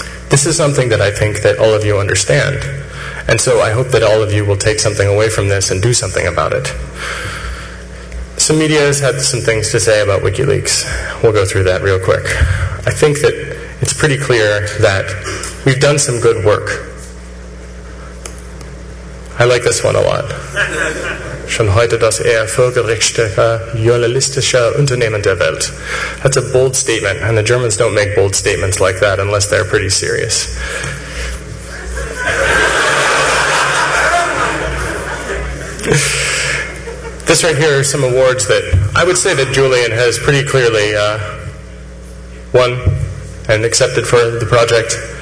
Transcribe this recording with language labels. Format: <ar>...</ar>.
<en>This is something that I think that all of you understand. And so I hope that all of you will take something away from this and do something about it. Some media has had some things to say about WikiLeaks. We'll go through that real quick. I think that it's pretty clear that we've done some good work. I like this one a lot.</en> <de>Schon heute das ehrfürchtigste journalistische Unternehmen der Welt.</de> <en>That's a bold statement, and the Germans don't make bold statements like that unless they're pretty serious. This right here are some awards that I would say that Julian has pretty clearly won and accepted for the project.</en>